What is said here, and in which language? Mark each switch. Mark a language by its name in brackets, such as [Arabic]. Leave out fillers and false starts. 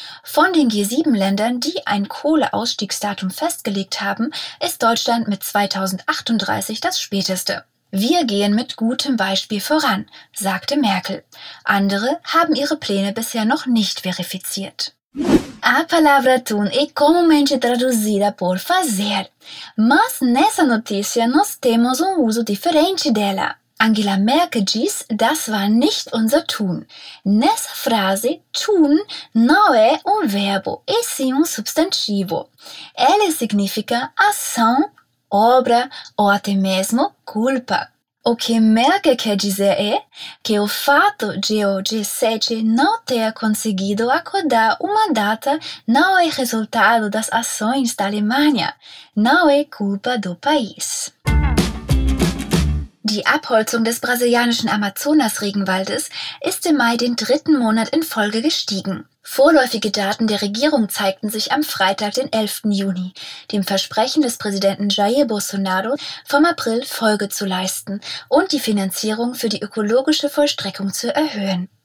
[German] Von den G7-Ländern, die ein Kohleausstiegsdatum festgelegt haben, ist Deutschland mit 2038 das späteste. Wir gehen mit gutem Beispiel voran, sagte Merkel. Andere haben ihre Pläne bisher noch nicht verifiziert. [Portuguese] A palavra tun e comumente traduzida por fazer. Mas nessa notícia nós temos uso diferente dela. Angela Merkel diz, [German] das war nicht unser Tun. [Portuguese] Nessa frase, tun não é verbo, e sim substantivo. Ele significa ação, obra ou até mesmo culpa. O que Merkel quer dizer é que o fato de o G7 não ter conseguido acordar uma data não é resultado das ações da Alemanha, não é culpa do país. [German] Die Abholzung des brasilianischen Amazonas-Regenwaldes ist im Mai den dritten Monat in Folge gestiegen. Vorläufige Daten der Regierung zeigten sich am Freitag, den 11. Juni, dem Versprechen des Präsidenten Jair Bolsonaro, vom April Folge zu leisten und die Finanzierung für die ökologische Vollstreckung zu erhöhen.